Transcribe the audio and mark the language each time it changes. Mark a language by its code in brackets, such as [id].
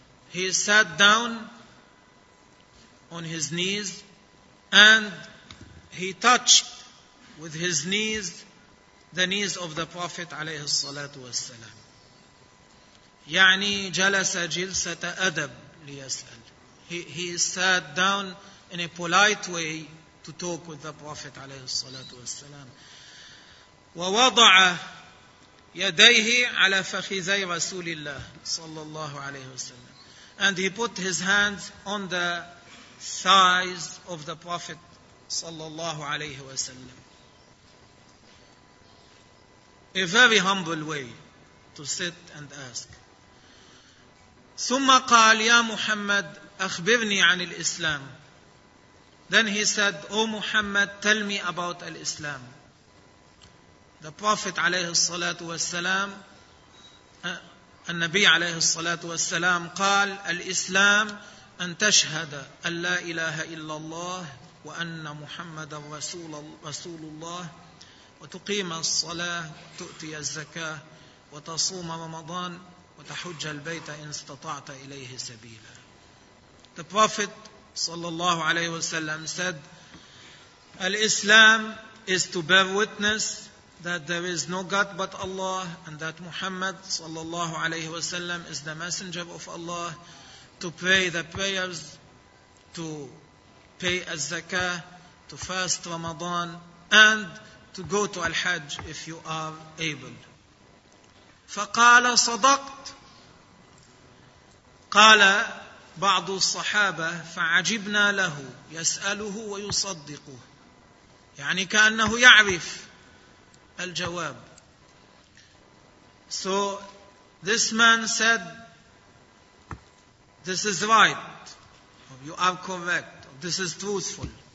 [en] He sat down on his knees and he touched with his knees the knees of the Prophet [ar] عليه الصلاة والسلام. يعني جلس جلسة أدب ليسأل. [en] He sat down in a polite way to talk with the Prophet [ar] عليه الصلاة والسلام. ووضع يديه على فخذي رسول الله صلى الله عليه وسلم. [en] And he put his hands on the thighs of the Prophet [ar] صلى الله عليه وسلم. [en] A very humble way to sit and ask. [ar] ثم قال يا محمد أخبرني عن الإسلام. [en] Then he said, O Muhammad, tell me about Islam. The Prophet [ar] عليه الصلاة والسلام النبي عليه الصلاة والسلام قال: الإسلام أن تشهد أن لا إله إلا الله وأن محمد رسول الله، وتقيم الصلاة، تؤتي الزكاة، وتصوم رمضان، وتحج البيت إن استطعت إليه سبيلا. [en] The Prophet [ar] صلى الله عليه وسلم [en] said, الإسلام is to bear witness that there is no God but Allah, and that Muhammad [ar] صلى الله عليه وسلم [en] is the messenger of Allah, to pray the prayers, to pay az-zakah, to fast Ramadan, and to go to al-hajj if you are able. [ar] فقال صدقت. قال بعض الصحابة فعجبنا له يسأله ويصدقه، يعني كأنه يعرف الجواب. [en] So this man said, this is right, you are correct, this is truthful.